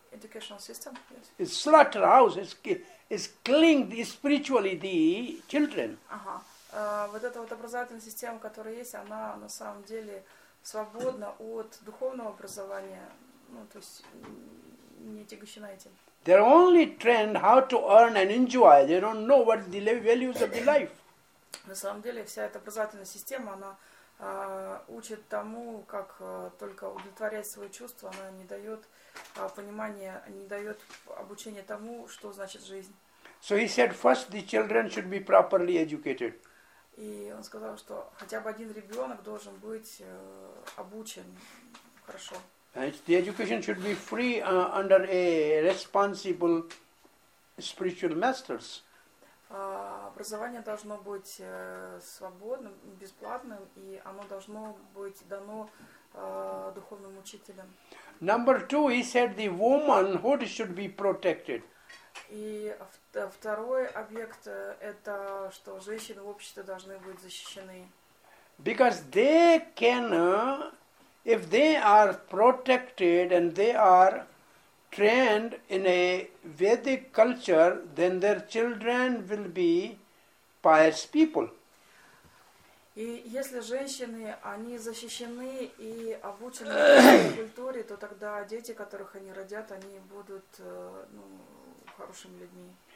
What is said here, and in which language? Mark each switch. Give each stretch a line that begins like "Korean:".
English: Educational system, yes. It's slaughterhouse, it's killing spiritually the children.
Russian: Ага. Вот эта вот образовательная система, которая есть, она на самом деле свободна от духовного образования, ну, то есть не тягощена этим.
English: They're only trained how to earn and enjoy. They don't know what the values of the life.
Russian: На самом деле, вся эта образовательная система, она учит тому, как только удовлетворять свои чувства, она не дает понимания, не дает обучения тому, что значит жизнь.
English: So he said, first the children should be properly educated.
Russian: И он сказал, что хотя бы один ребенок должен быть обучен хорошо.
English: And the education should be free under a responsible spiritual masters.
Russian: Образование должно быть свободным, бесплатным, и оно должно быть дано духовным учителям.
English: Number two, he said the womanhood should be protected.
Russian: И второй объект это, что женщины в обществе должны быть защищены.
English: Because they can... If they are protected and they are trained in a Vedic culture, then their children will be pious people.
Russian: И если женщины, они защищены и обучены в культуре, то тогда дети, которых они родят, они будут ну, хорошими людьми.